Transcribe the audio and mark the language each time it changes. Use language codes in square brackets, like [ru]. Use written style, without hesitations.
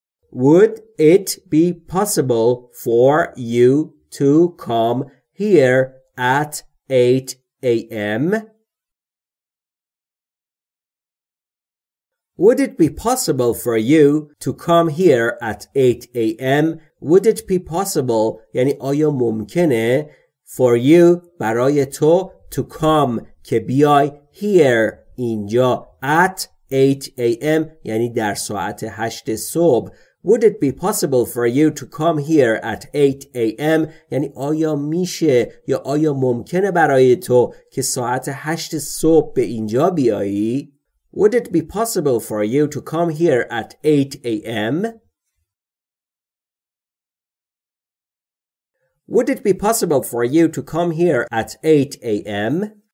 [en] Would it be possible for you to come here at 8 a.m.? Would it be possible for you to come here at 8 a.m.? Would it be possible, [fa] یعنی آیا ممکنه, [en] for you, [fa] برای تو, [en] to come, [fa] که بیای, [en] here, [fa] اینجا, [en] at 8 a.m., [fa] یعنی در ساعت 8 صبح. [en] Would it be possible for you to come here at 8 a.m.? [fa] یعنی آیا میشه یا آیا ممکنه برای تو که ساعت 8 صبح به اینجا بیایی؟ [en] Would it be possible for you to come here at 8 a.m.? Would it be possible for you to come here at 8 a.m.?